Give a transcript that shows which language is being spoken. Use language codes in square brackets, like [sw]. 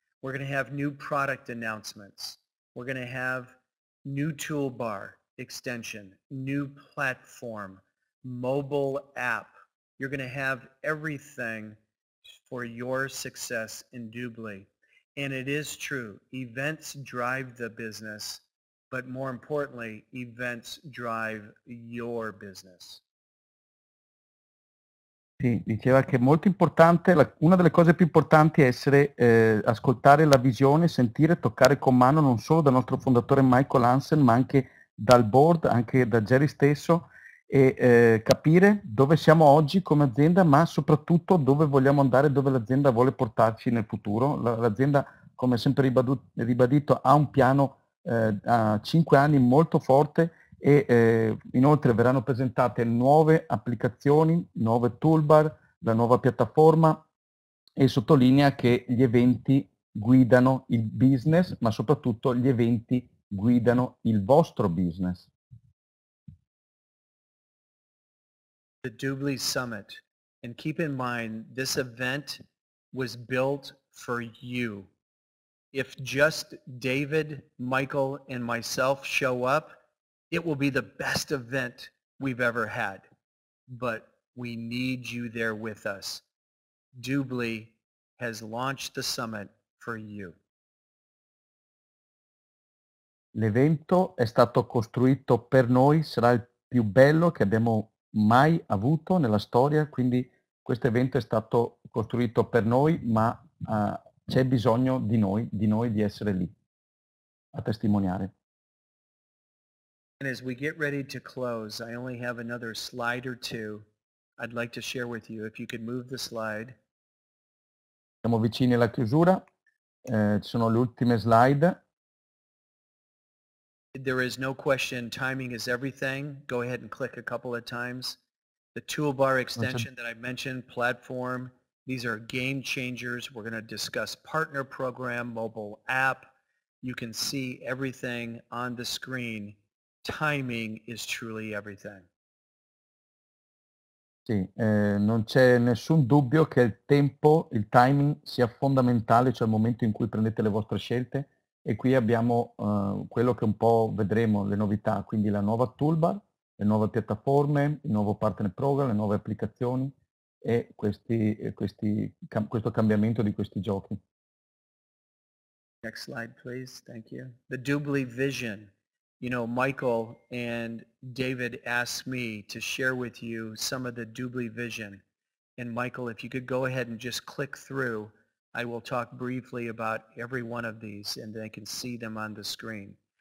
[en] We're going to have new product announcements. We're going to have new toolbar extension, new platform, mobile app. You're going to have everything for your success in Dublin. And it is true, events drive the business, but more importantly, events drive your business. [it] Sì, diceva che è molto importante, una delle cose più importanti è essere, ascoltare la visione, sentire, toccare con mano non solo dal nostro fondatore Michael Hansen, ma anche dal board, anche da Jerry stesso, e capire dove siamo oggi come azienda, ma soprattutto dove vogliamo andare, dove l'azienda vuole portarci nel futuro. L'azienda, come sempre ribadito, ha un piano a 5 anni molto forte. E inoltre verranno presentate nuove applicazioni, nuove toolbar, la nuova piattaforma e sottolinea che gli eventi guidano il business, ma soprattutto gli eventi guidano il vostro business. [en] The Dubly Summit. And keep in mind, this event was built for you. If just David, Michael and myself show up, it will be the best event we've ever had, but we need you there with us. Dubly has launched the summit for you. [it] L'evento è stato costruito per noi, sarà il più bello che abbiamo mai avuto nella storia, quindi questo evento è stato costruito per noi, ma c'è bisogno di noi di essere lì a testimoniare. [en] And as we get ready to close, I only have another slide or two I'd like to share with you. If you could move the slide. [it] Siamo vicini alla chiusura. Ci sono le ultime slide. [en] There is no question, timing is everything. Go ahead and click a couple of times. The toolbar extension that I mentioned, platform, these are game changers. We're going to discuss partner program, mobile app. You can see everything on the screen. Timing is truly everything. [it] Sì, non c'è nessun dubbio che il tempo, il timing sia fondamentale, cioè il momento in cui prendete le vostre scelte. E qui abbiamo quello che un po' vedremo, le novità, quindi la nuova toolbar, le nuove piattaforme, il nuovo partner program, le nuove applicazioni e questo cambiamento di questi giochi. [en] Next slide, please. Thank you. The Dubly Vision. You know, Michael and David asked me to share with you some of the Dubly vision. And Michael, if you could go ahead and just click through, I will talk briefly about every one of these and they can see them on the screen.